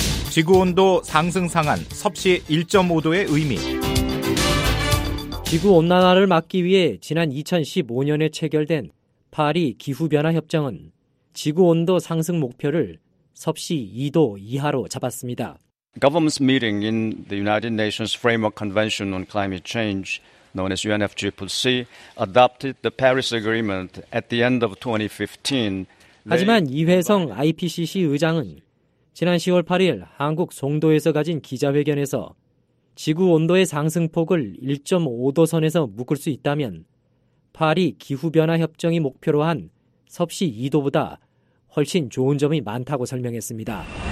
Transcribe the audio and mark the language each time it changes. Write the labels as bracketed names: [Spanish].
[Korean] 지구온도 상승 상한 섭씨 1.5도의 의미. 지구온난화를 막기 위해 지난 2015년에 체결된 파리 기후변화협정은 지구온도 상승 목표를 섭씨 2도 이하로 잡았습니다. [English] Governments meeting in the United Nations Framework Convention on Climate Change, known as UNFCCC, adopted the Paris Agreement at the end of 2015. [Korean] 하지만 이회성 IPCC 의장은 지난 10월 8일 한국 송도에서 가진 기자회견에서 지구 온도의 상승폭을 1.5도 선에서 묶을 수 있다면 파리 기후변화 협정이 목표로 한 섭씨 2도보다 훨씬 좋은 점이 많다고 설명했습니다.